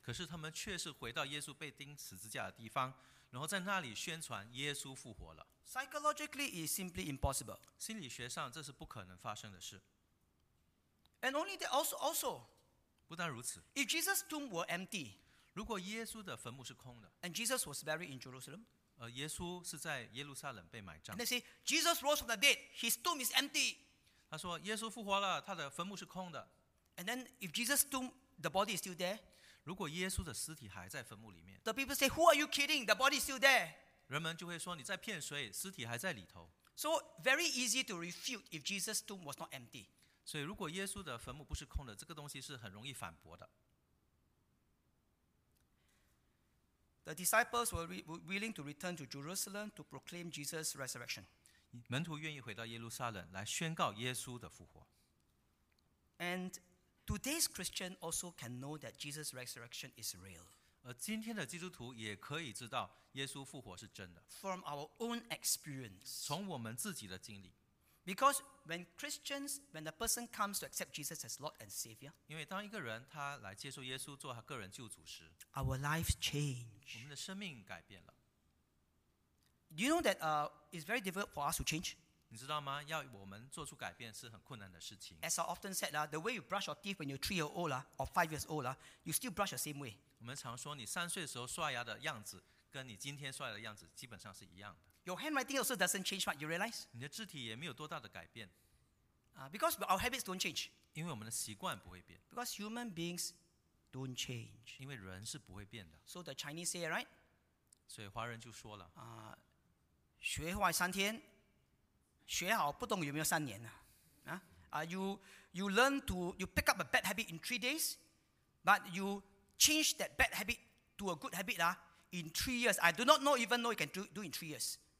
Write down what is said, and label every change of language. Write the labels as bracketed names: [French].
[Chinese] 可是他们却是回到耶稣被钉十字架的地方，然后在那里宣传耶稣复活了。 [English] Psychologically, it is simply impossible. [Chinese] 心理学上这是不可能发生的事。 [English] And only that also, [Chinese] 不但如此, [English] if Jesus' tomb were empty, [Chinese] 如果耶稣的坟墓是空的, [English] and Jesus was buried in Jerusalem, [Chinese] 耶稣是在耶路撒冷被埋葬, [English] and they say, Jesus rose from the dead, his tomb is empty. [Chinese] 他说耶稣复活了, 他的坟墓是空的, [English] and then if Jesus' tomb, the body is still there, [Chinese] 如果耶稣的尸体还在坟墓里面, [English] the people say, who are you kidding? The body is still there. [Chinese] 人们就会说你在骗谁, 尸体还在里头。 [English] So very easy to refute if Jesus' tomb was not empty. [Chinese] 所以如果耶稣的坟墓不是空的，这个东西是很容易反驳的。 [English] The disciples were willing to return to Jerusalem to proclaim Jesus' resurrection. [Chinese] 门徒愿意回到耶路撒冷来宣告耶稣的复活。 [English] And today's Christian also can know that Jesus' resurrection is real. [Chinese] 而今天的基督徒也可以知道耶稣复活是真的。 [English] From our own experience. [Chinese] 从我们自己的经历。 [English] Because when Christians, when a person comes to accept Jesus as Lord and Savior, [Chinese] 因为当一个人他来接受耶稣做他个人救主时， [English] our lives change. [Chinese] 我们的生命改变了。 [English] Do you know that it's very difficult for us to change? [Chinese] 你知道吗？要我们做出改变是很困难的事情。 [English] As I often said, the way you brush your teeth when you're 3 years old or 5 years old, you still brush the same way. [Chinese] 我们常说，你三岁的时候刷牙的样子，跟你今天刷牙的样子基本上是一样的。 [English] Your handwriting also doesn't change much, you realize? [Chinese] 你的字体也没有多大的改变。 [English] Because our habits don't change. [Chinese] 因为我们的习惯不会变。 [English] Because human beings don't change. [Chinese] 因为人是不会变的。 [English] So the Chinese say it, right? [Chinese] 所以华人就说了。学坏三天，学好不懂有没有三年呢？ [English] You pick up a bad habit in 3 days, but you change that bad habit to a good habit in 3 years. I do not know, even though you can do in 3 years.